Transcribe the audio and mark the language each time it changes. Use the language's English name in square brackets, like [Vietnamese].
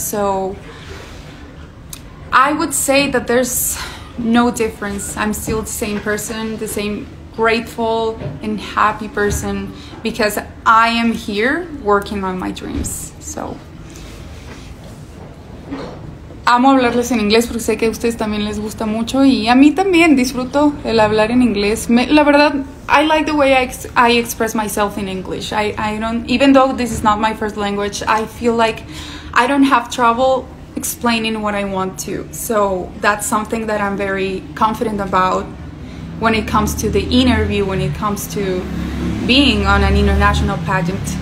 [English] So I would say that there's no difference. I'm still the same person, the same grateful and happy person, because I am here working on my dreams. [Spanish] So amo hablarles en inglés porque sé que a ustedes también les gusta mucho y a mí también disfruto el hablar en inglés. La verdad, [English] I like the way I express myself in English. I don't, even though this is not my first language, I feel like I don't have trouble explaining what I want to. So that's something that I'm very confident about when it comes to the interview, when it comes to being on an international pageant.